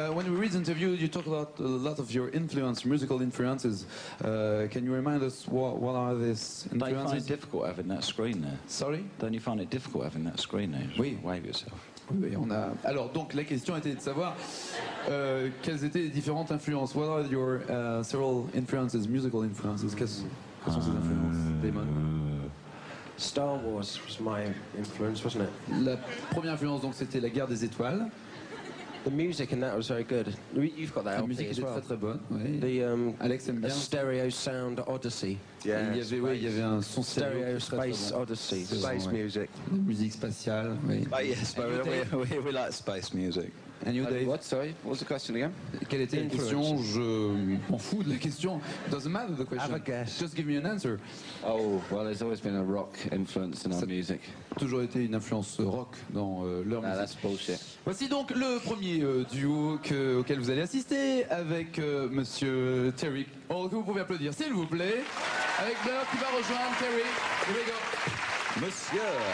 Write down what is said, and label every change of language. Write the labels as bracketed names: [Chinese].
[English] When we read interviews, you talk about a lot of your influence, musical influences. Can you remind us what are these influences? Don't you find it difficult having that screen there? Sorry? Don't you find it difficult having that screen there? [French] Oui. [English] Wave yourself. [French] Oui, on a. Alors donc la question était de savoir quelles étaient les différentes influences. [English] What are your several influences, musical influences? [French] Quelles sont ces influences, [English] Damon? Star Wars was my influence, wasn't it? [French] La première influence donc c'était la Guerre des Étoiles. [English] The music and that was very good. You've got that. [French] La musique était très bonne. Oui. [English] The [French] Alex aime bien. [English] A stereo sound Odyssey. Yeah. [French] Il y avait space. Oui, il y avait un son [English] stereo [French] qui [English] space [French] très bon. [English] Odyssey. Space bon, music. [French] Oui. Musique spatiale. Oui. [English] But yes, but we like space music. And you, Dave? What? Sorry. What was the question again? [French] Quelle était influence. La question? Je m'en fous de la question. [English] It doesn't matter the question. Have a guess. Just give me an answer. Oh, well, there's always been a rock influence in our music. [French] Toujours été une influence rock dans leur musique. [English] That's bullshit. [French] Voici donc le premier duo auquel vous allez assister avec Monsieur Terry. Oh, que vous pouvez applaudir, s'il vous plaît. Avec Blur qui va rejoindre Terry. [English] Here we go. [French] Monsieur